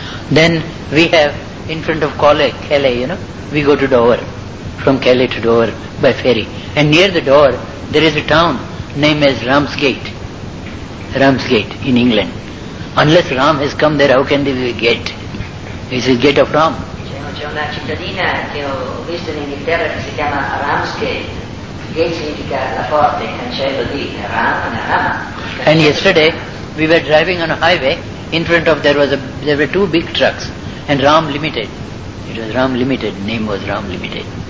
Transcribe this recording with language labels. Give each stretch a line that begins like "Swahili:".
English: Then we have in front of Calais, you know, we go to Dover, from Calais to Dover by ferry, and near the Dover there is a town named as Ramsgate in England. Unless Ram has come there, how can they be a gate? It's the gate of Ram.
Italian: C'è una cittadina che ho visto in Inghilterra che si chiama Ramsgate significa la porta, il cancello di Rama.
English: And yesterday we were driving on a highway. In front of there were two big trucks, and Ram Limited. It was Ram Limited, name was Ram Limited.